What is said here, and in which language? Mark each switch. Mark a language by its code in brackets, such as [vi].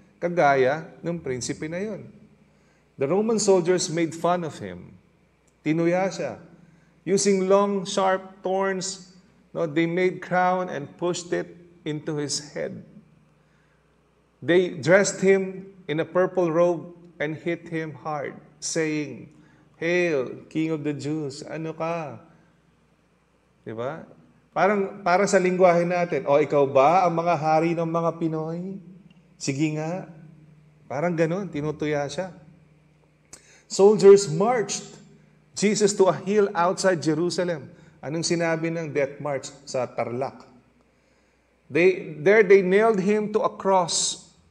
[tl] Kagaya ng prinsipe na yun. [en] The Roman soldiers made fun of him. [tl] Tinuya siya. [en] Using long, sharp thorns, no, they made crown and pushed it into his head. They dressed him in a purple robe and hit him hard, saying, Hail, King of the Jews! [tl] Ano ka? Diba? Para sa lingwahe natin, o ikaw ba ang mga hari ng mga Pinoy? Sige nga. Parang ganun, tinutuya siya. [en] Soldiers marched Jesus to a hill outside Jerusalem. [tl] Anong sinabi ng death march sa Tarlac? [en] They nailed him to a cross.